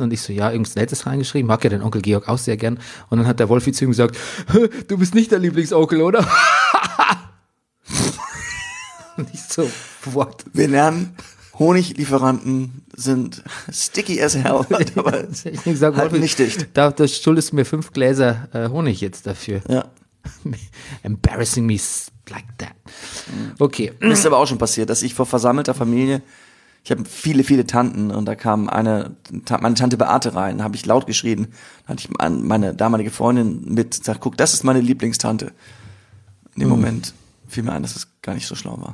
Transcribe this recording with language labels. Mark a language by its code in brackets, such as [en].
[de] Und ich so, ja, irgendwas Nettes reingeschrieben, mag ja den Onkel Georg auch sehr gern. Und dann hat der Wolfi zu ihm gesagt, du bist nicht der Lieblingsonkel, oder? Nicht so, [en] what? [de] Wir lernen, Honiglieferanten sind [en] sticky as hell, [de] aber ich halt gesagt, Wolf, nicht dicht. Da schuldest du mir 5 Gläser Honig jetzt dafür. Ja. [en] Embarrassing me like that. Okay. [de] Das ist aber auch schon passiert, dass ich vor versammelter Familie, ich habe viele, viele Tanten und da kam eine, meine Tante Beate rein, habe ich laut geschrien, hatte ich meine damalige Freundin mit, sagt, guck, das ist meine Lieblingstante. In dem Moment fiel mir ein, dass es gar nicht so schlau war.